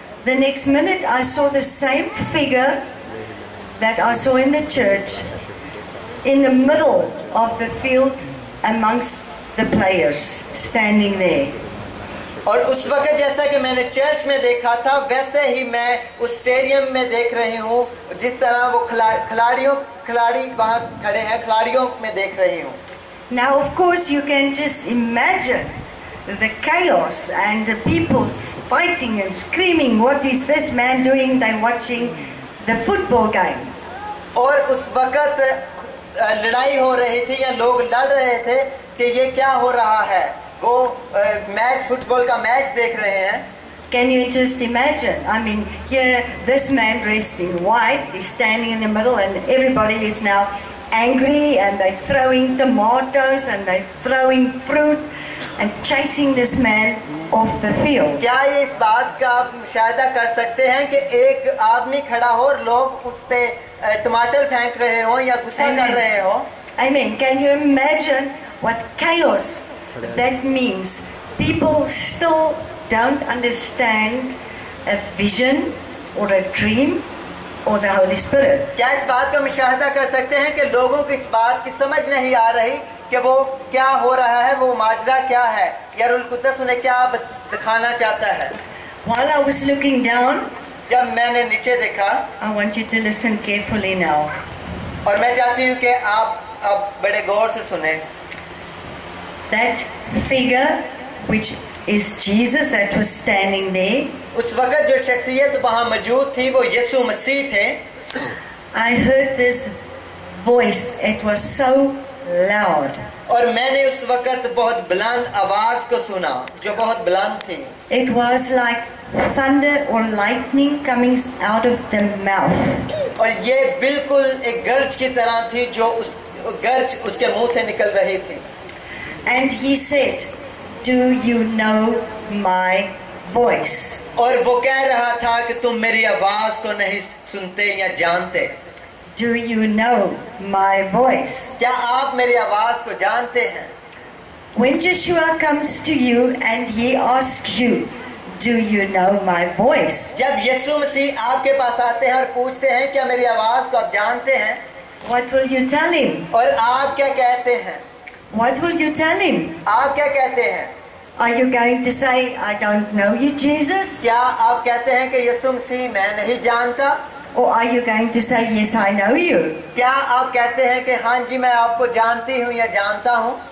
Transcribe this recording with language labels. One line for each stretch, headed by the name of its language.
English: The next minute I saw the same figure that I saw in the church in the middle of the field amongst the players standing there.
Hindi: और उस वक्त जैसा कि मैंने church में देखा था वैसे ही मैं उस स्टेडियम में देख रही हूँ जिस तरह वो खिलाड़ी वहाँ खड़े हैं खिलाड़ियों में देख रही हूँ.
English: Now of course you can just imagine the chaos and the people fighting and screaming, what is this man doing? They're watching the football game.
Hindi: और उस वक्त लड़ाई हो रही थी या लोग लड़ रहे थे कि ये क्या हो रहा है. वो मैच फुटबॉल का मैच देख रहे हैं.
English: Can you just imagine? I mean, here this man dressed in white, he's standing in the middle, and everybody is now angry, and they're throwing tomatoes, and they're throwing fruit, and chasing this man off the field.
Hindi: क्या ये इस बात का आप मुशाहिदा कर सकते हैं कि एक आदमी खड़ा हो और लोग उस पे टमाटर फेंक रहे हो या गुस्सा कर रहे हो?
English: I mean, can you imagine what chaos? That means people still don't understand a vision or a dream or the Holy Spirit.
Hindi: क्या इस बात का मुशाहिदा कर सकते हैं कि लोगों को इस बात की समझ नहीं आ रही कि वो क्या हो रहा है वो माजरा क्या है या रूल कुद्दस उन्हें क्या दिखाना चाहता है.
English: While I was looking down,
Hindi: जब मैंने नीचे देखा,
English: I want you to listen carefully now.
Hindi: और मैं चाहती हूँ कि आप अब बड़े गौर से सुने.
English: That figure, which is Jesus, that was standing there.
Hindi: उस वक्त जो शख्सियत वहाँ मौजूद थी, वो यीशु मसीह थे.
English: I heard this voice. It was so loud.
Hindi: और मैंने उस वक्त बहुत बुलंद आवाज को सुना, जो बहुत बुलंद थी.
English: It was like thunder or lightning coming out of the mouth.
Hindi: और ये बिल्कुल एक गर्ज की तरह थी, जो उस गर्ज उसके मुंह से निकल रही थी.
English: And he said, "Do you know my voice?"
Hindi: और वो कह रहा था कि तुम मेरी आवाज को नहीं सुनते या जानते.
English: Do you know my voice?
Hindi: क्या आप मेरी आवाज को जानते हैं?
English: When Joshua comes to you and he asks you, "Do you know my voice?"
Hindi: जब यीशु मसीह आपके पास आते हैं और पूछते हैं क्या मेरी आवाज को आप जानते हैं?
English: What will you tell him?
Hindi: और आप क्या कहते हैं?
English: What will you tell him?
Hindi: आप क्या कहते हैं?
English: Are you going to say, "I don't know you, Jesus"?
Hindi: क्या आप कहते हैं कि यीशु मसीह मैं नहीं जानता?
English: Or are you going to say, "Yes, I know you"?
Hindi: क्या आप कहते हैं कि हाँ जी मैं आपको जानती हूँ या जानता हूँ?